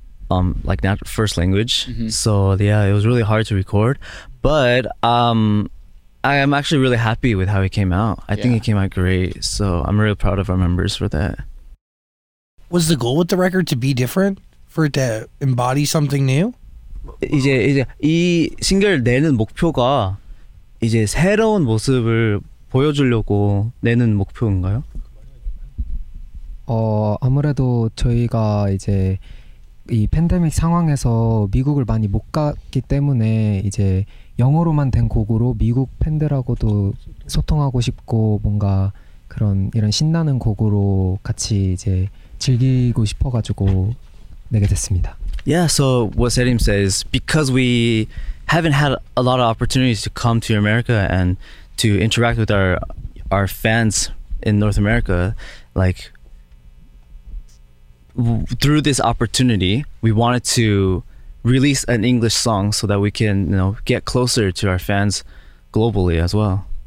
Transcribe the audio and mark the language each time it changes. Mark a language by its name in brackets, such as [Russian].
[English] Like not first language. So yeah, it was really hard to record, but I am actually really happy with how it came out. I think it came out great, so I'm really proud of our members for that. Was the goal with the record to be different, for it to embody something new? [Korean] 이제 이 싱글 내는 목표가 이제 새로운 모습을 보여주려고 내는 목표인가요? 아무래도 저희가 이제 이 팬데믹 상황에서 미국을 많이 못 갔기 때문에 이제 영어로만 된 곡으로 미국 팬들하고도 소통하고 싶고 뭔가 그런 이런 신나는 곡으로 같이 이제 즐기고 싶어가지고 내게 됐습니다. [English] Yeah, so what Selim says, because we haven't had a lot of opportunities to come to America and to interact with our fans in North America, like through this opportunity, we wanted to release an English song so that we can, you know, get closer to our fans globally as well.